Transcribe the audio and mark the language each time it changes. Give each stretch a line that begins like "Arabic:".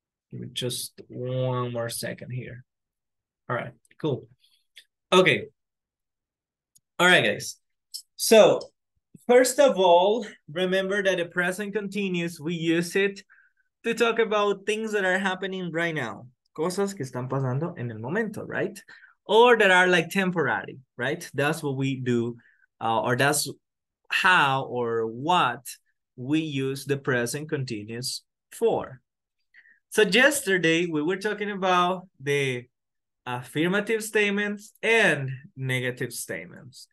English: Give me just one more second here. All right, cool. Okay. All right, guys. So first of all, remember that the present continuous, we use it to talk about things that are happening right now.
Spanish: Cosas que están pasando en el momento, right?
English: Or that are like temporary, right? That's what we do, or that's how or what we use the present continuous for. So yesterday we were talking about the affirmative statements and negative statements.